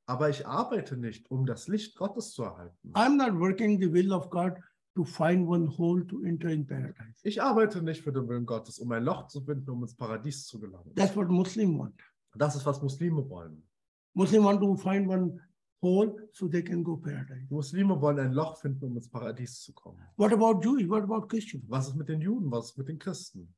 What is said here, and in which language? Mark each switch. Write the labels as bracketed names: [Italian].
[German] Aber ich arbeite nicht, um das Licht Gottes zu erhalten. [English] I'm not working the will of God to find one hole to enter in paradise. [German] Ich arbeite nicht für den Willen Gottes, um ein Loch zu finden, um ins Paradies zu gelangen. [English] That's what Muslims want. [German] Das ist, was Muslime wollen. [English] Muslims want to find one hole so they can go paradise. [German] Muslime wollen ein Loch finden, um ins Paradies zu kommen. [English] What about Jews? What about Christians? [German] Was ist mit den Juden? Was ist mit den Christen?